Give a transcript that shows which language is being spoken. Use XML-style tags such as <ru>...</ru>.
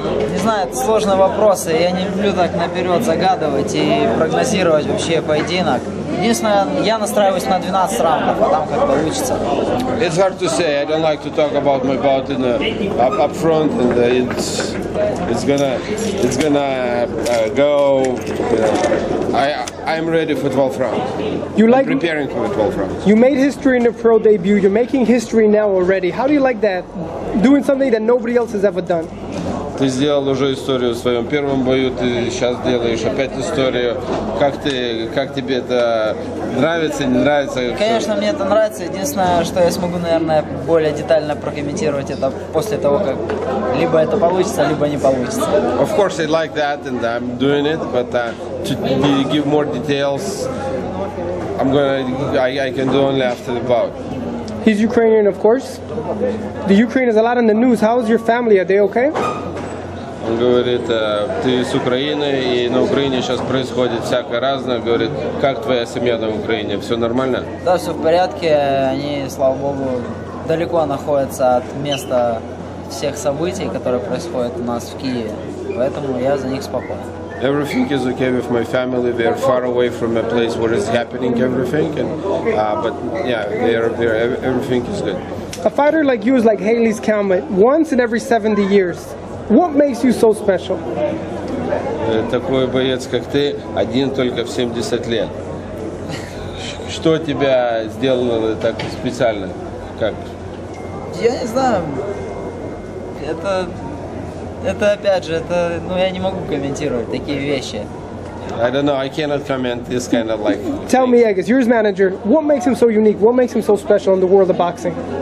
<ru>Не знаю, это сложный вопрос. Я не люблю так наперед загадывать и прогнозировать вообще поединок. Единственное, я настраиваюсь на 12 раундов, а там как получится.</ru> <en>It's hard to say. I don't like to talk about my bout in up front, and it's gonna go. I'm ready for 12 rounds. You like I'm preparing for 12 rounds? You made history in the pro debut. You're making history now already. How do you like that? Doing something that nobody else has ever done.</en> <ru>Ты сделал уже историю в своем первом бою, ты сейчас делаешь опять историю. Как тебе это нравится, не нравится? Конечно, мне это нравится. Единственное, что я смогу, наверное, более детально прокомментировать это после того, как либо это получится, либо не получится.</ru> <en>Of course, I like that, and I'm doing it, but to give more details, I can do only after the bout. He's Ukrainian, of course. The Ukraine is a lot in the news. How is your family? Are they okay?</en> <ru>Он говорит, ты из Украины, и на Украине сейчас происходит всякое разное. Говорит, как твоя семья на Украине? Все нормально? Да, все в порядке. Они, слава богу, далеко находятся от места всех событий, которые происходят у нас в Киеве. Поэтому я за них спокоен.</ru> <en>Everything is okay with my family. They are far away from a place where it's happening everything. Everything is good. A fighter like you is like Haley's Comet. Once in every 70 years. What makes you so special?</en> <ru>Такой боец, как ты, один только в 70 лет. Что тебя сделало так специально? Как? Я не знаю. Это опять же, это, ну, я не могу комментировать такие вещи.</ru> <en>I don't know, I cannot comment this kind of like... Tell me, Agus, you're his manager. What makes him so unique? What makes him so special in the world of boxing?</en>